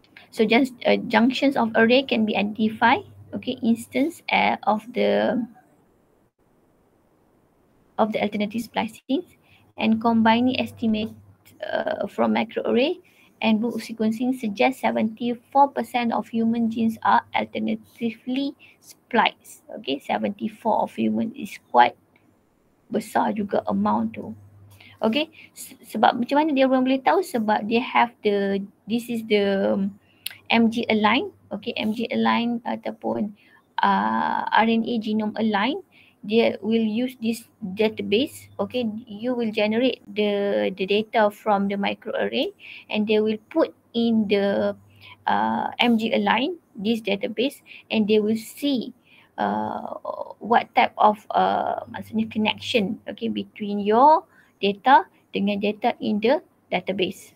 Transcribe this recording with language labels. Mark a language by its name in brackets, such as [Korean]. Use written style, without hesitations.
[English] So just junctions of array can be identified. Okay, instance of the alternative splicing, and combining estimate from microarray and book sequencing suggests 74% of human genes are alternatively spliced. Okay, 74 of human is quite [Malay] besar juga [English] amount [Malay] tu. Okay, sebab macam mana dia orang boleh tahu? Sebab [English] they have the, this is the MG align. Okay, MG align [Malay] ataupun [English] RNA genome align. they will use this database. Okay, you will generate the data from the microarray, and they will put in the MG Align this database, and they will see what type of [Malay] maksudnya [English] connection, okay, between your data [Malay] dengan [English] data in the database.